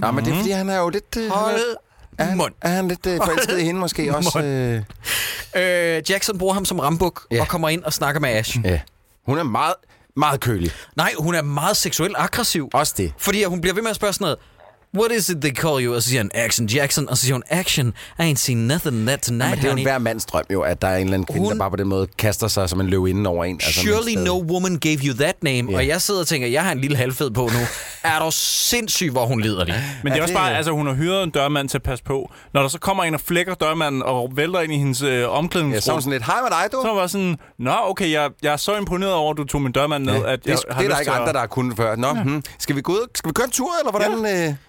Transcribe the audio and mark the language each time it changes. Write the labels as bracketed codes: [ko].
[da] Nej, men det er, fordi han er jo lidt... Er han lidt forelsket i hende måske også? Jackson bruger ham som rambuk, og kommer ind og snakker med Ash. Ja. Hun er meget, meget kølig. Nej, hun er meget seksuelt aggressiv. Også det. Fordi hun bliver ved med at spørge sådan noget. [en] What is it they call you? [da] Og så siger han, [en] Action Jackson. [da] Og så siger hun, [en] Action, I ain't seen nothing that tonight, honey. [da] Men det er jo hver mands drøm jo, at der er en eller anden kvinde, der bare på den måde kaster sig som en løvinde over en. [en] Altså surely no woman gave you that name. [da] Yeah. Og jeg sidder og tænker, jeg har en lille halvfed på nu. Er du sindssyg, hvor hun lider lige? Men det er også bare, altså hun har hyret en dørmand til at passe på. Når der så kommer en og flækker dørmanden og vælter ind i hendes omklædningsrum. Ja, så er sådan lidt, hej med dig, du. Så var sådan, nå okay, jeg er så imponeret over, at du tog min dørmand ned. Ja. At jeg det er der ikke andre, der har kunnet før. Nå, skal vi gå ud? Skal vi køre en tur, eller hvordan?